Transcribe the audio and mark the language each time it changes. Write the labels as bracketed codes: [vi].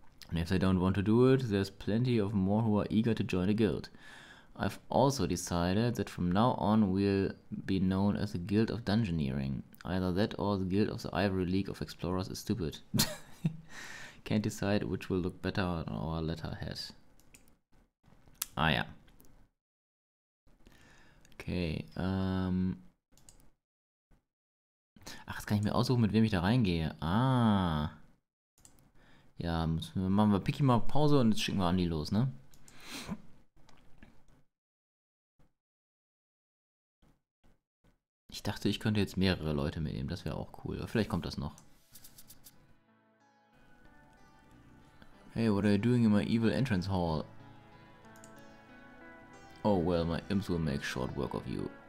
[en] And if they don't want to do it, there's plenty of more who are eager to join the guild. I've also decided that from now on we'll be known as the Guild of Dungeoneering. Either that or the Guild of the Ivory League of Explorers is stupid. Can't decide which will look better on our letterhead. Ah, yeah. [de] Okay, Ach, jetzt kann ich mir aussuchen, mit wem ich da reingehe. Ah. Ja, machen wir Picky mal Pause und jetzt schicken wir Andi los, ne? Ich dachte, ich könnte jetzt mehrere Leute mitnehmen. Das wäre auch cool. Vielleicht kommt das noch. [en] Hey, what are you doing in my evil entrance hall? Oh well, my imps will make short work of you.